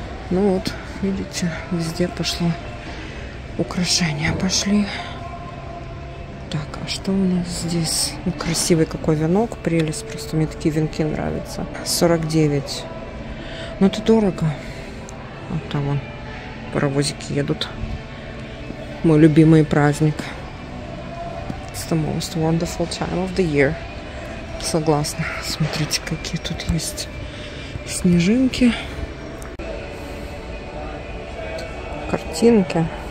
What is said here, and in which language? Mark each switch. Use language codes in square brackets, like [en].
[ru] Ну вот, видите, везде пошло. Украшения пошли. Так, а что у нас здесь? Ну, красивый какой венок, прелесть. Просто мне такие венки нравятся. 49. Ну, это дорого. Вот там вон паровозики едут. Мой любимый праздник. [en] It's the most wonderful time of the year. [ru] Согласна. Смотрите, какие тут есть снежинки. Картинки.